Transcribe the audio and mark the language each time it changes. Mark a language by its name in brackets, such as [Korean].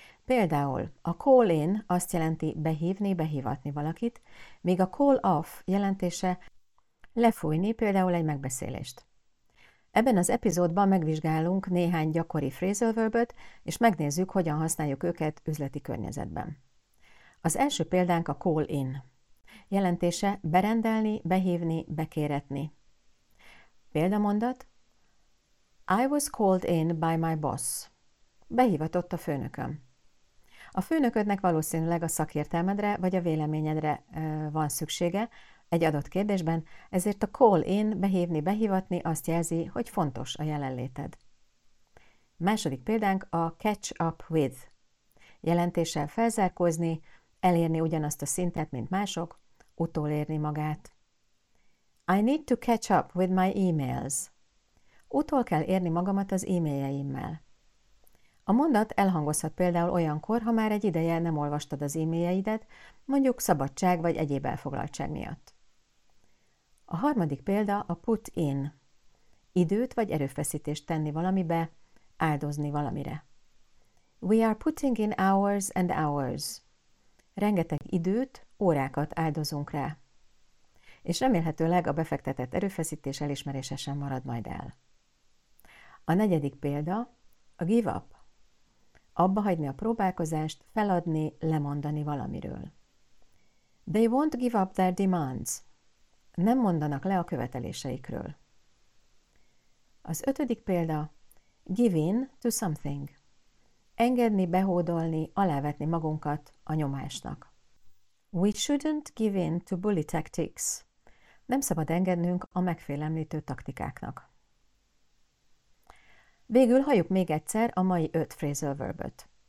[Hungarian] Például a call in azt jelenti behívni, behivatni valakit, míg a call off jelentése lefújni például egy megbeszélést. Ebben az epizódban megvizsgálunk néhány gyakori phrasal verb-öt, és megnézzük, hogyan használjuk őket üzleti környezetben. Az első példánk a call in. Jelentése berendelni, behívni, bekéretni. Példamondat: [English] I was called in by my boss. [Hungarian] Behívatott a főnököm. A főnöködnek valószínűleg a szakértelmedre vagy a véleményedre van szüksége egy adott kérdésben, ezért a call in, behívni, behivatni azt jelzi, hogy fontos a jelenléted. Második példánk a catch up with. Jelentése felzárkózni, elérni ugyanazt a szintet, mint mások, utolérni magát. [English] I need to catch up with my emails. [Hungarian] Utol kell érni magamat az e-mailjeimmel. A mondat elhangozhat például olyankor, ha már egy ideje nem olvastad az e-mailjeidet, mondjuk szabadság vagy egyéb elfoglaltság miatt. A harmadik példa a put in. Időt vagy erőfeszítést tenni valamibe, áldozni valamire. [English] We are putting in hours and hours. [Hungarian] Rengeteg időt, órákat áldozunk rá. És remélhetőleg a befektetett erőfeszítés elismerése sem marad majd el. A negyedik példa a give up. Abba hagyni a próbálkozást, feladni, lemondani valamiről. [English] They won't give up their demands. [Hungarian] Nem mondanak le a követeléseikről. Az ötödik példa, [English] give in to something. [Hungarian] Engedni, behódolni, alávetni magunkat a nyomásnak. [English] We shouldn't give in to bully tactics. [Hungarian] Nem szabad engednünk a megfélemlítő taktikáknak. Végül halljuk még egyszer a mai öt phrasal verb-öt.